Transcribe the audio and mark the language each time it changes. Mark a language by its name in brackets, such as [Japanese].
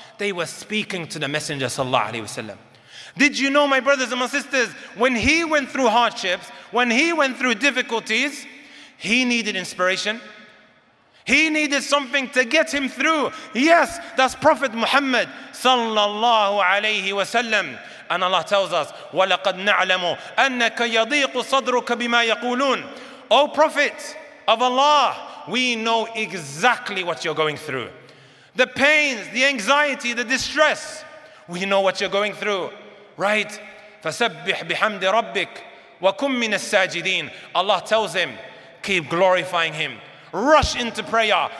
[English] they were speaking to the Messenger sallallahu alaihi wasallam. Did you know, my brothers and my sisters, when he went through hardships, when he went through difficulties, he needed inspiration? He needed something to get him through. Yes, that's Prophet Muhammad sallallahu alaihi wasallam. And Allah tells us, [Arabic] وَلَقَدْ نَعْلَمُ أَنَّكَ يَضِيقُ صَدْرُكَ بِمَا يَقُولُونَ. [English] O Prophet of Allah, we know exactly what you're going through. The pains, the anxiety, the distress, we know what you're going through, right? [Arabic] فَسَبِّحْ بِحَمْدِ رَبِّكَ وَكُمْ مِنَ السَّاجِدِينَ. [English] Allah tells him, keep glorifying him. Rush into prayer.